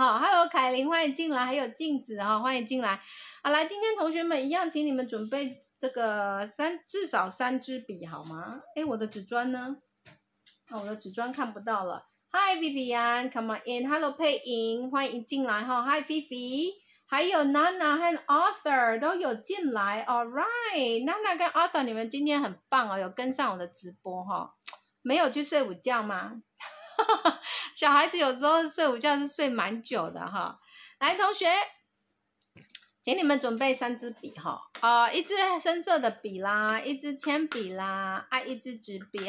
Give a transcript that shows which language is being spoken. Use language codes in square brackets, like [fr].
[zh] 哈 ，Hello 凯琳，欢迎进来，还有镜子哈，欢迎进来，好来，今天同学们一样，请你们准备这个至少三支笔好吗？哎，我的纸砖呢？我的纸砖看不到了。 [en] Hi Vivian, come on in. [zh] Hello 佩莹，欢迎进来哈。 Hi Vivi, 还有 Nana 和 Arthur 都有进来。 All right, Nana 跟 Arthur， 你们今天很棒哦，有跟上我的直播哈、哦。没有去睡午觉吗？小孩子有时候睡午觉是睡蛮久的哈。来，同学，请你们准备三支笔哈，一支深色的笔啦，一支铅笔啦，啊，一支纸笔。